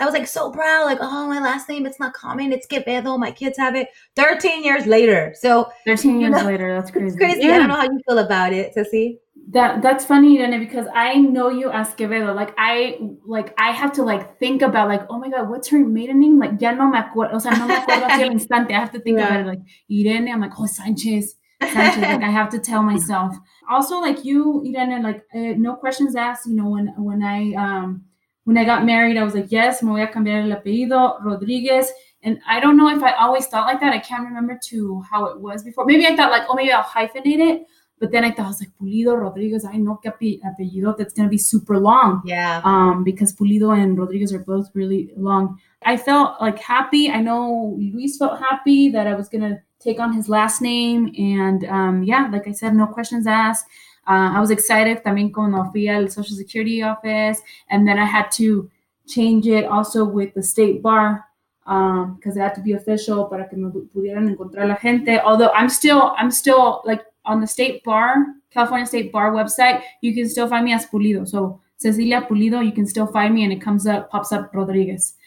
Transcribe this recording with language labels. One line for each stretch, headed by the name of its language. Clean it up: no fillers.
English: I was like, so proud. Like, oh, my last name, it's not common. It's Quevedo. My kids have it 13 years later. So 13 years later, that's crazy. It's crazy. Yeah. I don't know how you feel about it, Ceci. That's funny, Irene, because I know you as Quevedo. Like, I have to, like, think about, like, oh, my God, what's her maiden name?
Spanish: Like, ya no me acuerdo. O sea, no me acuerdo hace el instante.
English: I have to think about it. Like, Irene, I'm like, oh, Sanchez. Like, I have to tell myself. Also, like you, Irene, like, no questions asked. You know, when I got married, I was like, yes, me voy a cambiar el apellido, Rodriguez. And I don't know if I always thought like that. I can't remember to how it was before. Maybe I thought like, oh, maybe I'll hyphenate it. But then I thought, I was like, Pulido, Rodriguez, I know que apellido, that's going to be super long. Yeah. Because Pulido and Rodriguez are both really long. I felt like happy. I know Luis felt happy that I was going to take on his last name. And yeah, like I said, no questions asked. I was excited también cuando fui al Social Security office. And then I had to change it also with the state bar because it had to be official para que me pudieran encontrar la gente. Although I'm still like on the state bar, California State Bar website, you can still find me as Pulido. So Cecilia Pulido, you can still find me and it comes up, pops up Rodriguez.